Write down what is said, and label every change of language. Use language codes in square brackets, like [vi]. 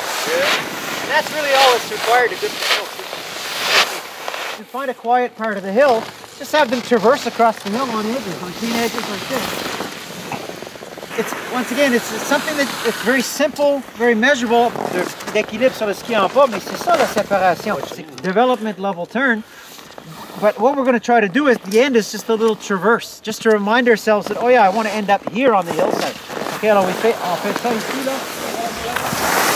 [en] Good. That's really all that's required to get the hill. To find a quiet part of the hill, just have them traverse across the hill on edges, on clean edges like this. It's, once again, it's something that it's very simple, very measurable. [fr] D'équilibre sur le ski en bas, mais c'est ça la séparation. [en] It's a development level turn. But what we're going to try to do at the end is just a little traverse, just to remind ourselves that, oh yeah, I want to end up here on the hillside. [fr] Okay, alors on fait ça ici là.